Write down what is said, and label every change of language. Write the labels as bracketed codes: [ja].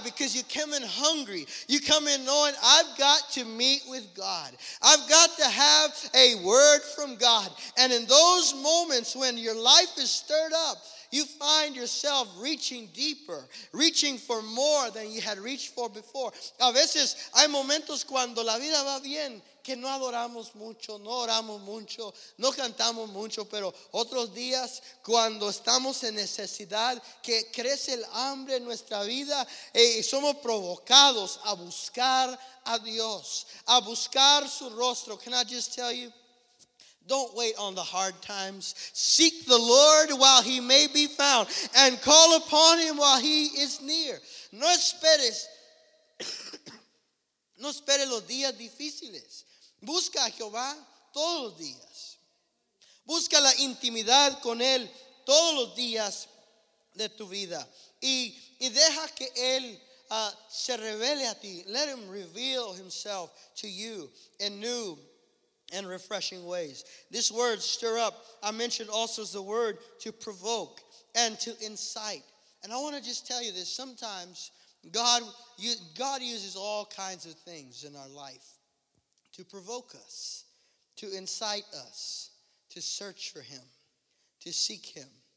[en] Because you come in hungry. You come in knowing, I've got to meet with God. I've got to have a word from God. And in those moments when your life is stirred up, you find yourself reaching deeper, reaching for more than you had reached for before. [es] A veces hay momentos cuando la vida va bien que no adoramos mucho, no oramos mucho, no cantamos mucho, pero otros días cuando estamos en necesidad, que crece el hambre en nuestra vida, somos provocados a buscar a Dios, a buscar su rostro. [en] Can I just tell you? Don't wait on the hard times. Seek the Lord while he may be found, and call upon him while he is near. [es] No esperes, no esperes los días difíciles. Busca a Jehová todos los días. Busca la intimidad con él todos los días de tu vida. Y deja que él se revele a ti. [en] Let him reveal himself to you in new and refreshing ways. This word stir up, I mentioned also, is the word to provoke and to incite. And I want to just tell you this. Sometimes God uses all kinds of things in our life to provoke us, to incite us, to search for him, to seek him.